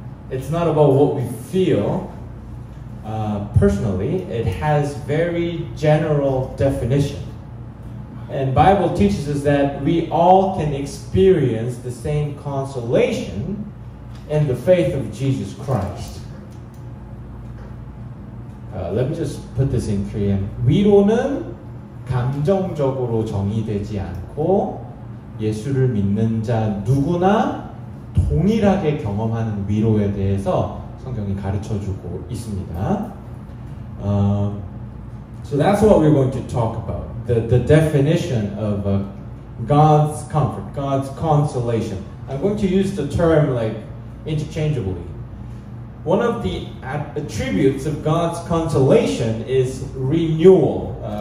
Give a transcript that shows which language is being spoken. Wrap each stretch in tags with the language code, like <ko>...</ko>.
<en>It's not about what we feel personally. It has very general definition. And Bible teaches us that we all can experience the same consolation in the faith of Jesus Christ. Let me just put this in Korean.</en> <ko>위로는 감정적으로 정의되지 않고 예수를 믿는 자 누구나 동일하게 경험하는 위로에 대해서 성경이 가르쳐주고 있습니다.</ko> <en>So that's what we're going to talk about. The definition of God's comfort, God's consolation. I'm going to use the term like interchangeably. One of the attributes of God's consolation is renewal.</en>